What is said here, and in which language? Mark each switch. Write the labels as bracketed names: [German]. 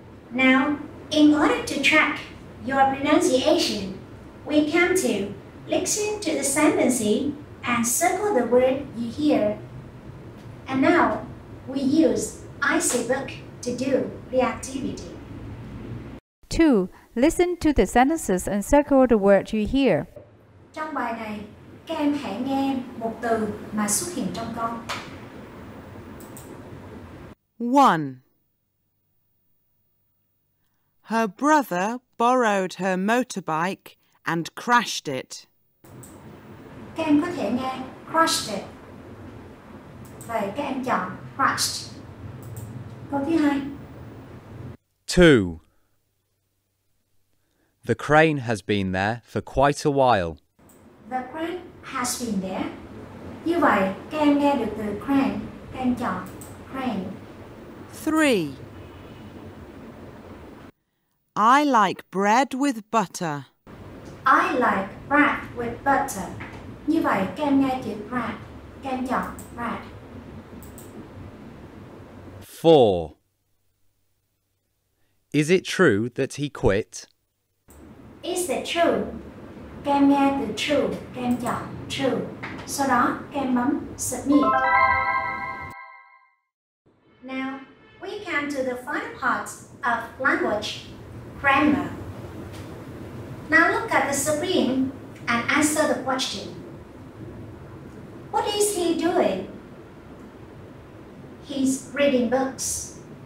[English] Now, in order to track your pronunciation, we come to listen to the sentence and circle the word you hear. And now, we use IC book to do the activity. 2. Listen to the sentences and circle the word you hear. [Vietnamese] Trong bài này, các em hãy nghe một từ mà xuất hiện trong câu. [English] 1. Her brother borrowed her motorbike and crashed it. [Vietnamese] Các em có thể nghe crashed it. Vậy các em chọn crashed. Câu thứ hai. [English] 2. The crane has been there for quite a while. The crane has been there. [Vietnamese] Như vậy, các em nghe được từ crane, các em chọn crane. [English] 3. I like bread with butter. I like bread with butter. [Vietnamese] Như vậy, các em nghe chữ bread, các em chọn bread. [English] 4. Is it true that he quit? Is it true? [Vietnamese] Các em nghe từ true, các em chọn true. Sau đó, các em bấm submit. [English] Now, we come to the final part of language. Grammar. Now look at the screen and answer the question. What is he doing? He's reading books.